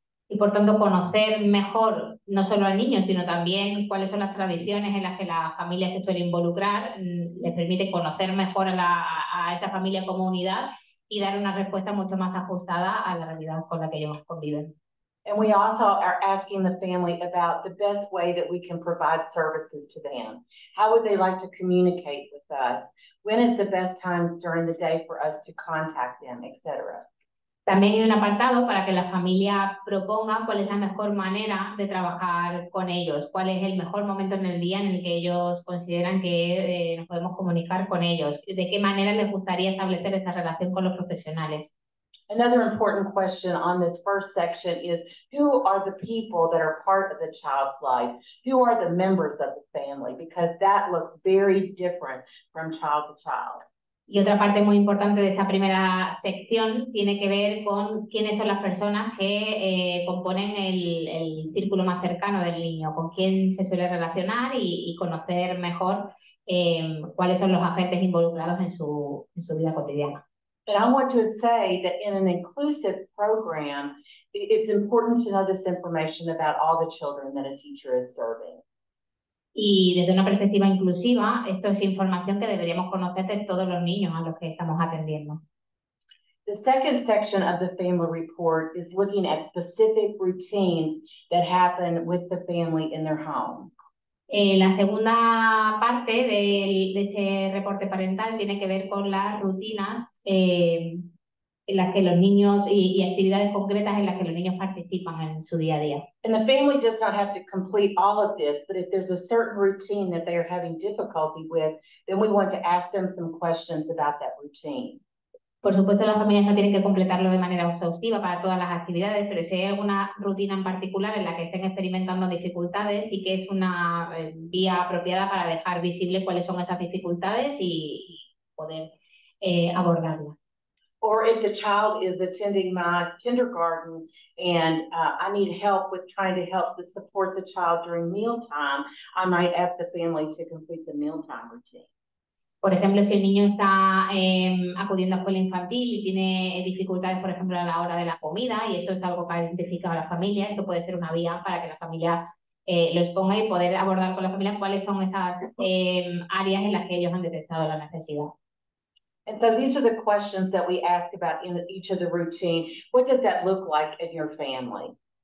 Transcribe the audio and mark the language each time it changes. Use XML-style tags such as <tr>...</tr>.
<es>Y por tanto conocer mejor no solo al niño, sino también cuáles son las tradiciones en las que la familia se suele involucrar, le permite conocer mejor a esta familia como unidad y dar una respuesta mucho más ajustada a la realidad con la que ellos conviven.</es> <en>And we also are asking the family about the best way that we can provide services to them. How would they like to communicate with us? When is the best time during the day for us to contact them, etc.</en> <es>También hay un apartado para que la familia proponga cuál es la mejor manera de trabajar con ellos, cuál es el mejor momento en el día en el que ellos consideran que nos podemos comunicar con ellos, de qué manera les gustaría establecer esa relación con los profesionales.</es> <en>Another important question on this first section is, who are the people that are part of the child's life? Who are the members of the family? Because that looks very different from child to child.</en> <es>Y otra parte muy importante de esta primera sección tiene que ver con quiénes son las personas que componen el círculo más cercano del niño, con quién se suele relacionar y conocer mejor cuáles son los agentes involucrados en su vida cotidiana.</es> <en>And I want to say that in an inclusive program, it's important to know this information about all the children that a teacher is serving.</en> <es>Y desde una perspectiva inclusiva, esto es información que deberíamos conocer de todos los niños a los que estamos atendiendo.</es> <en>The second section of the family report is looking at specific routines that happen with the family in their home.</en> <es>La segunda parte de ese reporte parental tiene que ver con las rutinas en las que los niños y actividades concretas en las que los niños participan en su día a día.</es> <en>And the family does not have to complete all of this, but if there's a certain routine that they are having difficulty with, then we want to ask them some questions about that routine.</en> <es>Por supuesto, las familias no tienen que completarlo de manera exhaustiva para todas las actividades, pero si hay alguna rutina en particular en la que estén experimentando dificultades y que es una vía apropiada para dejar visible cuáles son esas dificultades y poder abordarlas.</es> <en>Or if the child is attending my kindergarten and I need help with trying to help to support the child during mealtime, I might ask the family to complete the mealtime routine.</en> <es>Por ejemplo, si el niño está acudiendo a escuela infantil y tiene dificultades, por ejemplo, a la hora de la comida, y eso es algo que ha identificado a la familia, esto puede ser una vía para que la familia lo exponga y poder abordar con la familia cuáles son esas áreas en las que ellos han detectado la necesidad.</es> <en>And so these are the questions that we ask about in each of the routine. What does that look like in your family?</en>